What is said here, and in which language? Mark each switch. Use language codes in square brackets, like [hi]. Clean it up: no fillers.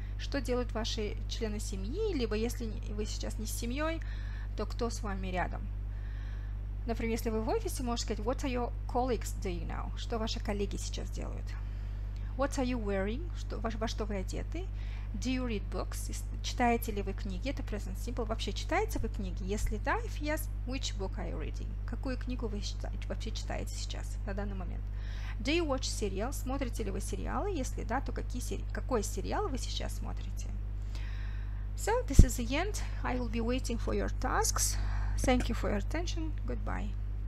[ru] Что делают ваши члены семьи? Либо если вы сейчас не с семьей, то кто с вами рядом? Например, если вы в офисе, можете сказать, [en] what are your colleagues doing now? [ru] Что ваши коллеги сейчас делают? [en] What are you wearing? [ru] Что, во что вы одеты? [en] Do you read books? [ru] Читаете ли вы книги? Это present simple. Вообще читаете вы книги? Если да, [en] if yes, which book are you reading? [ru] Какую книгу вы вообще читаете сейчас, на данный момент? [en] Do you watch serials? [ru] Смотрите ли вы сериалы? Если да, то какие какой сериал вы сейчас смотрите? [en] So, this is the end. I will be waiting for your tasks. Thank you for your attention. Goodbye.